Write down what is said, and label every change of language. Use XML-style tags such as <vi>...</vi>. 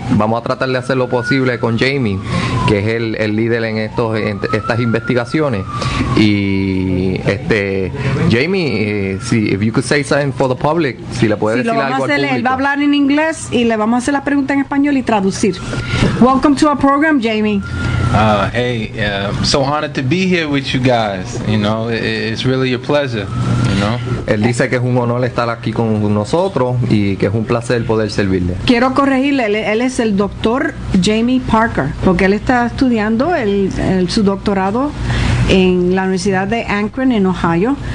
<es>Vamos a tratar de hacer lo posible con Jamie, que es el líder en estos en estas investigaciones. Y este Jamie, si</es> <en>if you could say something for the public,</en> <es>si le puedes decir algo al público. Él va a hablar en inglés y le vamos a hacer las preguntas en español y traducir.</es> <en>Welcome to our program, Jamie. Hey, so honored to be here with you guys. You know, it's really a pleasure. You know.</en> <es>Él dice que es un honor estar aquí con nosotros y que es un placer poder servirle. Quiero corregirle, él es el doctor Jamie Parker, porque él está estudiando el su doctorado en la Universidad de Akron en Ohio.</es>